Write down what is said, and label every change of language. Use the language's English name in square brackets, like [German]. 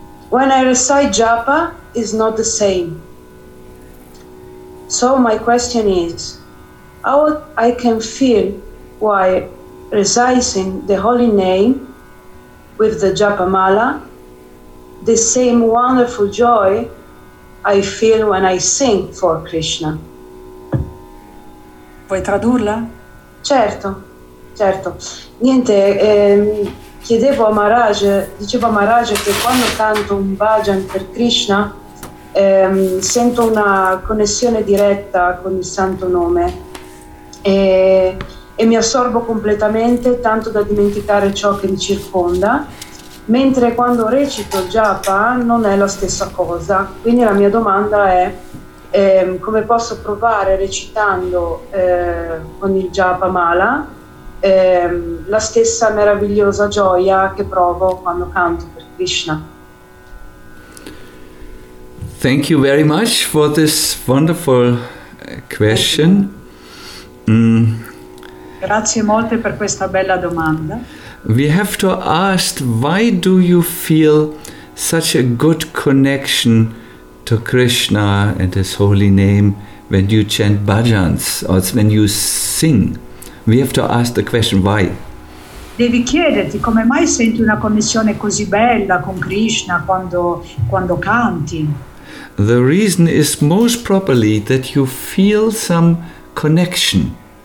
[English] When I recite japa, it's not the same. So my question is, how I can feel why reciting the holy name with the japa mala, the same wonderful joy I feel when I sing for Krishna. [Italian] Puoi tradurla? Certo, certo. Niente, chiedevo a Maharaj, dicevo a Maharaj che quando canto un bhajan per Krishna sento una connessione diretta con il santo nome. E mi assorbo completamente, tanto da dimenticare ciò che mi circonda, mentre quando recito japa non è la stessa cosa. Quindi la mia domanda è come posso provare recitando con il japa mala la stessa meravigliosa gioia che provo quando canto per Krishna. [English] Thank you very much for this wonderful question. [Italian] Grazie molte per questa bella domanda. [English] We have to ask, why do you feel such a good connection to Krishna and His holy name when you chant bhajans or when you sing? We have to ask the question, why? [Italian] Devi chiederti come mai senti una connessione così bella con Krishna quando canti. [English] The reason is most probably that you feel some connection.